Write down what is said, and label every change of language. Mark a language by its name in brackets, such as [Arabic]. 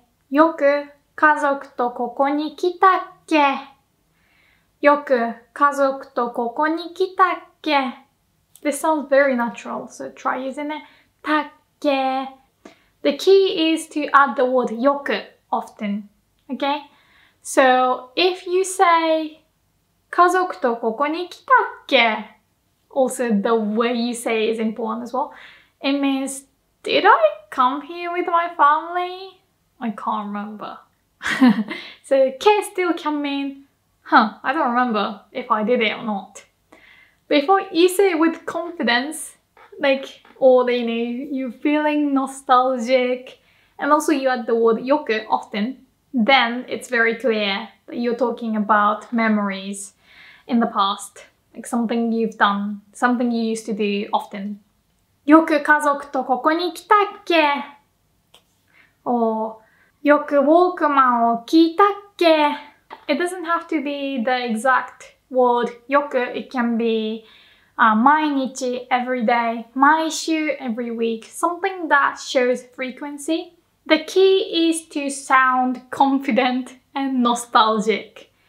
[Japanese] よく家族とここに来たっけ? よく家族とここに来たっけ? [English] This sounds very natural, so try using it. [Japanese] たっけ? [English] The key is to add the word よく often, okay? So if you say [Japanese] 家族とここに来たっけ? [English] Also, the way you say is important as well. It means, did I come here with my family? I can't remember. So, け still can mean, huh, I don't remember if I did it or not. Before you say it with confidence, like, or you know, you're feeling nostalgic, and also you add the word yoku often, then it's very clear that you're talking about memories in the past, like something you've done, something you used to do often. [Japanese] よく家族とここに来たっけ?Or, よくウォークマンを聞いたっけ? [English] It doesn't have to be the exact word よく. It can be 毎日, every day, 毎週, every week, something that shows frequency. The key is to sound confident and nostalgic.